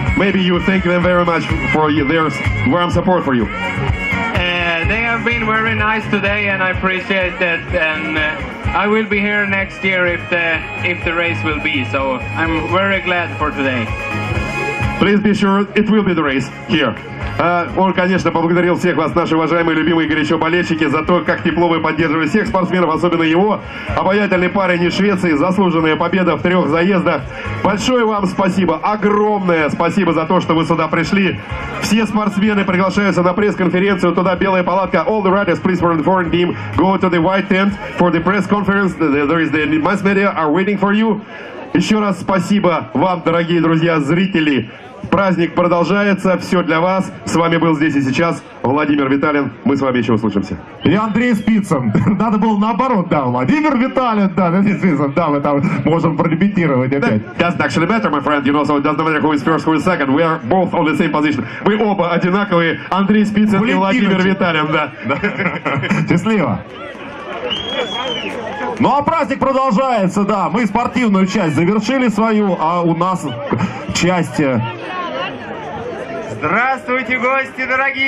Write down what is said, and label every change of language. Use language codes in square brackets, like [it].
[en] Maybe you thank them very much for their warm support for you. They have been very nice today, and I appreciate that. And I will be here next year if the race will be. So I'm very glad for today. Please be sure it will be the race here. [ru] Он, конечно, поблагодарил всех вас, наши уважаемые, любимые, горячо болельщики, за то, как тепло вы поддерживали всех спортсменов, особенно его. Обаятельный парень из Швеции, заслуженная победа в трех заездах. Большое вам спасибо, огромное спасибо за то, что вы сюда пришли. Все спортсмены приглашаются на пресс-конференцию, туда белая палатка. [en] All the riders, please, from the foreign team, go to the white tent for the press conference. There is the mass media are waiting for you. [ru] Еще раз спасибо вам, дорогие друзья, зрители. Праздник продолжается, все для вас. С вами был здесь и сейчас Владимир Виталин. Мы с вами еще услышимся. И Андрей Спицын. Надо было наоборот, да, Владимир Виталин, да, Андрей Спицын, да, мы там можем прорепетировать опять. [en] That's actually better, my friend, you know, so it doesn't matter who is first, who is second, we are both on the same position. [ru] Вы оба одинаковые, Андрей Спицын и Владимир Виталин, да. Счастливо. Ну а праздник продолжается, да, мы спортивную часть завершили свою, а у нас часть... Здравствуйте, гости дорогие!